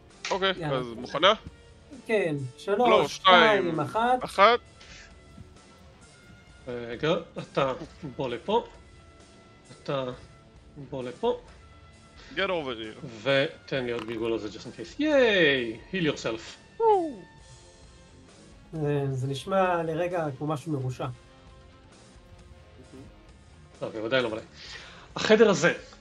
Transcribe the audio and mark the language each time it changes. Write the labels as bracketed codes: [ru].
[he] אוקיי, אז מוכנה? כן, 3, 2, 1. רגע, אתה בוא לפה. אתה בוא לפה. [en] Get over here. [he] ותן לי עוד גלגול הזה, [en] just in case. ייי, heal yourself. [he] זה נשמע לרגע כמו משהו מרושע. טוב, בוודאי לא מלא. החדר הזה,